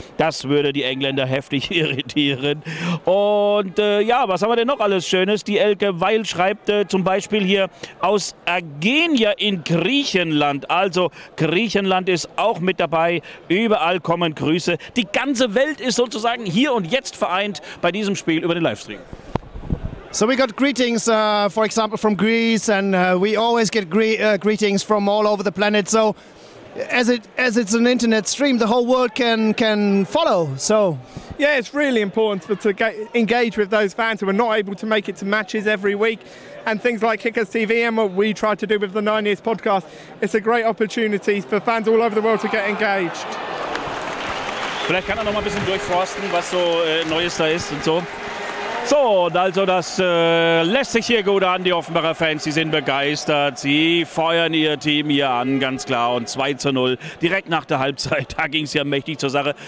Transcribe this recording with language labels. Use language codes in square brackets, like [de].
[de] Das würde die Engländer heftig irritieren. Und ja, was haben wir denn noch alles Schönes? Die Elke Weil schreibt zum Beispiel hier aus Agenia in Griechenland. Also Griechenland ist auch mit dabei. Überall kommen Grüße. Die ganze Welt ist sozusagen hier und jetzt vereint bei diesem Spiel über den Livestream. [en] So we got greetings, for example, from Greece, and we always get greetings from all over the planet. So, as it's an internet stream, the whole world can follow. So, yeah, it's really important to engage with those fans who are not able to make it to matches every week, and things like Kickers TV and what we try to do with the 9 Years podcast. It's a great opportunity for fans all over the world to get engaged. [de] Vielleicht kann er noch mal ein bisschen durchforsten, was so Neues da ist und so. So, also das lässt sich hier gut an, die Offenbacher Fans, die sind begeistert, sie feuern ihr Team hier an, ganz klar, und 2:0 direkt nach der Halbzeit, da ging es ja mächtig zur Sache.